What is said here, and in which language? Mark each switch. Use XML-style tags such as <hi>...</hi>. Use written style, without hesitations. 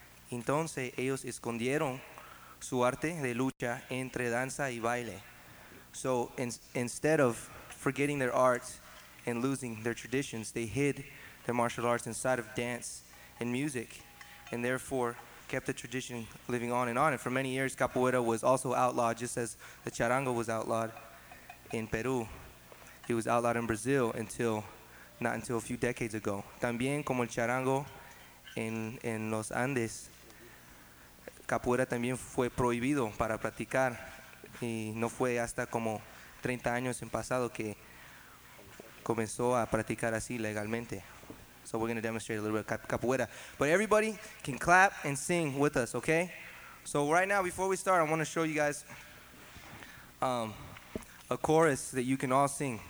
<es>Entonces, ellos escondieron su arte de lucha entre danza y baile.</es> <en>So instead of forgetting their arts and losing their traditions, they hid their martial arts inside of dance and music, and therefore kept the tradition living on and on. And for many years, capoeira was also outlawed, just as the charango was outlawed in Peru. It was outlawed in Brazil not until a few decades ago.</en> <es>También como el charango en los Andes, capoeira también fue prohibido para practicar. Y no fue hasta como 30 años en pasado que comenzó a practicar así legalmente.</es> <en>So we're going to demonstrate a little bit of capoeira. But everybody can clap and sing with us, okay? So right now, before we start, I want to show you guys a chorus that you can all sing.</en>